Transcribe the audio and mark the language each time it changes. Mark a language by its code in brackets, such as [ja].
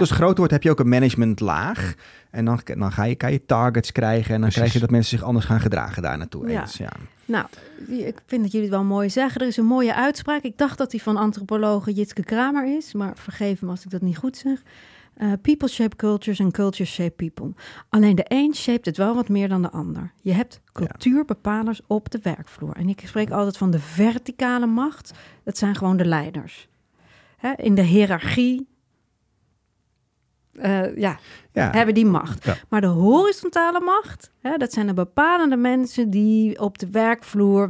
[nl] Als het groter wordt, heb je ook een managementlaag. En dan kan je targets krijgen. En dan krijg je dat mensen zich anders gaan gedragen daar naartoe. Ja. Nou, ik vind dat jullie het wel mooi zeggen. Er is een mooie uitspraak. Ik dacht dat die van antropologe Jitske Kramer is. Maar vergeef me als ik dat niet goed zeg. [en] People shape cultures en cultures shape people. [nl] Alleen de een shaped het wel wat meer dan de ander. Je hebt cultuurbepalers op de werkvloer. En ik spreek altijd van de verticale macht. Dat zijn gewoon de leiders. Hè, in de hiërarchie hebben die macht. Ja. Maar de horizontale macht, hè, dat zijn de bepalende mensen die op de werkvloer.